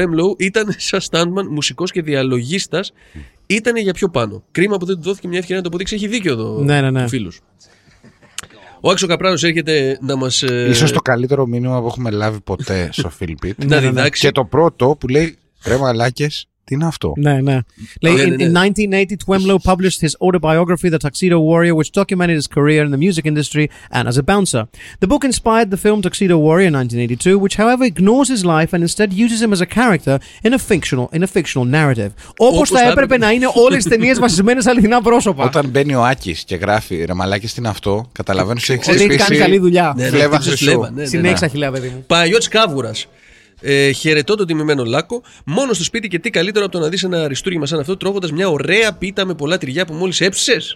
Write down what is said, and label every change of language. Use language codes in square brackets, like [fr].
[el] Low ήταν σαν στάντμαν μουσικός και διαλογίστας. Ήτανε για πιο πάνω. Κρίμα που δεν του δόθηκε μια ευκαιρία να το αποδείξει. Έχει δίκιο εδώ ο φίλος. Ο Άξο Καπράνος έρχεται να μας... Ίσως το καλύτερο μήνυμα που έχουμε λάβει ποτέ στο Φιλπίτ. Να διδάξει. Και το πρώτο που λέει, ρε μαλάκες, τι είναι αυτό. Ναι. Λέει, [en] in 1980, Twemlo published his autobiography, The Tuxedo Warrior, which documented his career in the music industry and as a bouncer. The book inspired the film Tuxedo Warrior, 1982, which, however, ignores his life and instead uses him as a character in a fictional narrative. [el] Όπως θα έπρεπε να είναι όλες τις ταινίες βασισμένες σε αληθινά πρόσωπα. Όταν μπαίνει ο Άκης και γράφει, ρε μαλάκες, τι είναι αυτό, καταλαβαίνω σε εξής πίση. Ότι έχει κάνει καλή δουλειά. Συνέχισα χιλιά, παιδί μου. Παγιώτης Κάβουρας. Χαιρετώ τον τιμημένο Λάκο. Μόνο στο σπίτι και τι καλύτερο από το να δεις ένα αριστούργημα σαν αυτό τρώγοντας μια ωραία πίτα με πολλά τυριά που μόλις έψησες.